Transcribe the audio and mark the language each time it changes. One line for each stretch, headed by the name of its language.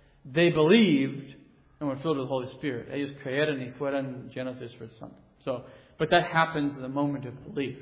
English: They believed and were filled with the Holy Spirit.
Spanish: Ellos creyeron y fueron llenos del Espíritu Santo.
English: So, but that happens in the moment of belief.